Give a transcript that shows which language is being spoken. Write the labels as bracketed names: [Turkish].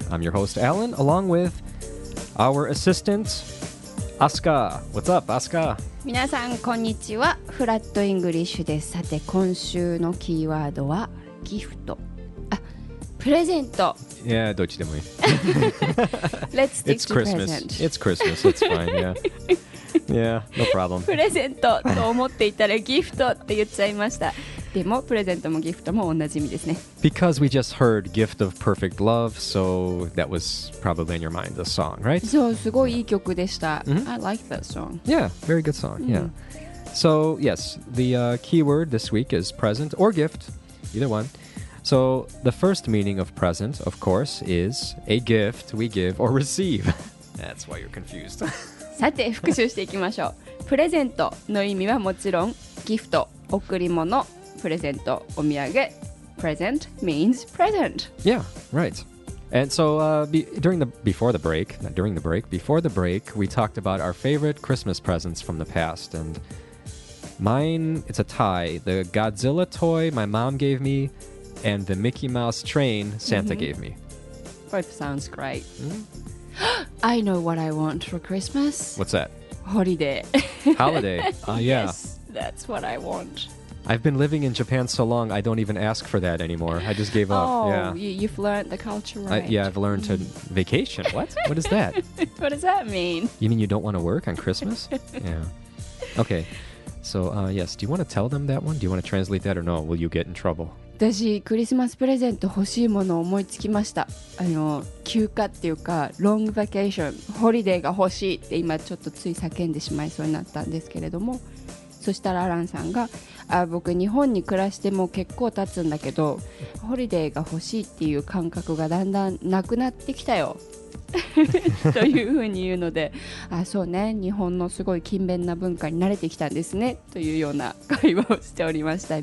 [English] I'm your host Alan, along with our assistant Asuka. What's up, Asuka? [Japanese] 皆さんこんにちは。フラットイングリッシュです。さて今週のキーワードはギフト。プレゼント。 Yeah, どっちでもいい。 [English] Let's stick to present. It's Christmas. It's fine. Yeah. Yeah, no problem. [Japanese] プレゼントと思っていたらギフトって言っちゃいました。でもプレゼントもギフトも同じ意味ですね。 [English] Because we just heard Gift of Perfect Love, so that was probably in your mind the song, right? [Japanese] そう、すごいいい曲でした。 [English] Mm-hmm. I like that song. Yeah, very good song. Yeah. So, yes, the keyword this week is present or gift, either one. So, the first meaning of present, of course, is a gift we give or receive. That's why you're confused. [Japanese] さて復習していきましょう。プレゼントの意味はもちろんギフト、贈り物、プレゼント、お土産。 [English] Present means present. Yeah, right. And so before the break, we talked about our favorite Christmas presents from the past. And mine, it's a tie. The Godzilla toy my mom gave me and the Mickey Mouse train Santa gave me. Both sounds great. Mm-hmm. I know what I want for Christmas. What's that? Holiday. Holiday. Yeah. Yes, that's what I want. I've been living in Japan so long, I don't even ask for that anymore. I just gave up. Oh, yeah. You've learned the culture, right? I've learned to vacation. What? What is that? What does that mean? You mean you don't want to work on Christmas? Yeah. Okay. So, yes, do you want to tell them that one? Do you want to translate that or no? Will you get in trouble? [Japanese] 私クリスマスプレゼント欲しいものを思いつきました。休暇っていうかロングバケーション、ホリデーが欲しいって今ちょっとつい叫んでしまいそうになったんですけれども、そしたらアランさんが、あ、僕日本に暮らしても結構経つんだけどホリデーが欲しいっていう感覚がだんだんなくなってきたよというふうに言うので、あ、そうね、日本のすごい勤勉な文化に慣れてきたんですね、というような会話をしておりました。